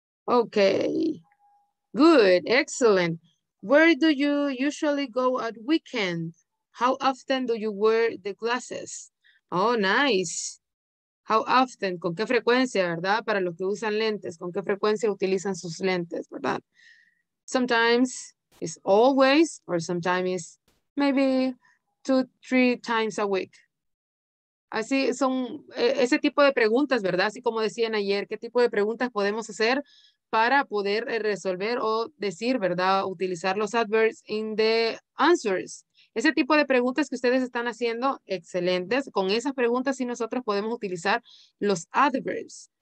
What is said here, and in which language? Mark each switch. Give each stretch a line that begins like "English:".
English: Okay, good, excellent. Where do you usually go at weekend? How often do you wear the glasses? Oh, nice.
Spanish: How often, con qué frecuencia, ¿verdad? Para los que usan lentes, con qué frecuencia utilizan sus lentes, ¿verdad?
English: Sometimes it's always, or sometimes it's maybe 2-3 times a week.
Spanish: Así son ese tipo de preguntas, ¿verdad? Así como decían ayer, ¿qué tipo de preguntas podemos hacer para poder resolver o decir, ¿verdad? Utilizar los adverbs
English: in the answers.
Spanish: Ese tipo de preguntas que ustedes están haciendo, excelentes. Con esas preguntas sí nosotros podemos utilizar los adverbs.